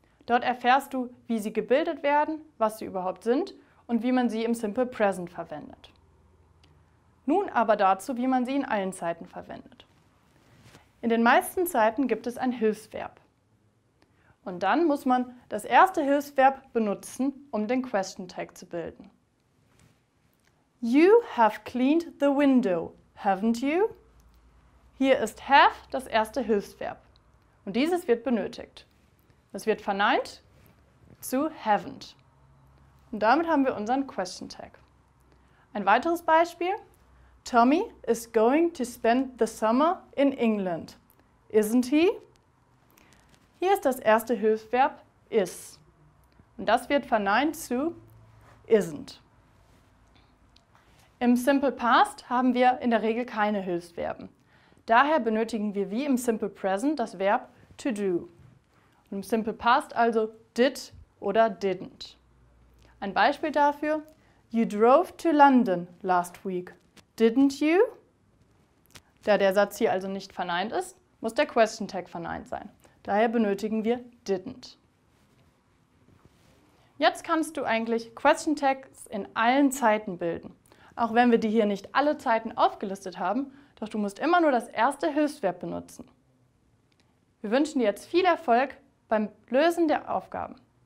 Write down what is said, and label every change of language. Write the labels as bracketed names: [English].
[German] Dort erfährst du, wie sie gebildet werden, was sie überhaupt sind und wie man sie im Simple Present verwendet. Nun aber dazu, wie man sie in allen Zeiten verwendet. In den meisten Zeiten gibt es ein Hilfsverb. Und dann muss man das erste Hilfsverb benutzen, um den Question Tag zu bilden. [English] You have cleaned the window, haven't you? [German] Hier ist have das erste Hilfsverb. Und dieses wird benötigt. Es wird verneint zu haven't. Und damit haben wir unseren Question Tag. Ein weiteres Beispiel. [English] Tommy is going to spend the summer in England, isn't he? [German] Hier ist das erste Hilfsverb is. Und das wird verneint zu isn't. Im Simple Past haben wir in der Regel keine Hilfsverben. Daher benötigen wir wie im Simple Present das Verb to do. Im Simple Past also did oder didn't. Ein Beispiel dafür: [English] You drove to London last week, didn't you? [German] Da der Satz hier also nicht verneint ist, muss der Question Tag verneint sein. Daher benötigen wir didn't. Jetzt kannst du eigentlich Question Tags in allen Zeiten bilden. Auch wenn wir die hier nicht alle Zeiten aufgelistet haben, doch du musst immer nur das erste Hilfsverb benutzen. Wir wünschen dir jetzt viel Erfolg beim Lösen der Aufgaben.